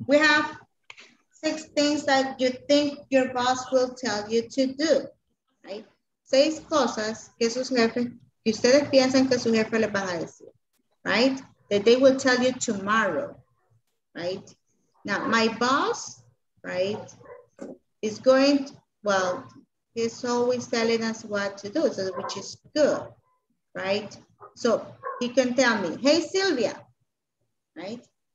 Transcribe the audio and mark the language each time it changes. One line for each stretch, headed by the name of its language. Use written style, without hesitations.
English: We have 6 things that you think your boss will tell you to do. Right?
Spanish: 6 cosas que sus jefes, que ustedes piensan que su jefe les van a decir.
English: Right? That they will tell you tomorrow. Right? Now, my boss, right, is going to, well, he's always telling us what to do, so, which is good, right? So he can tell me, hey, Silvia, right?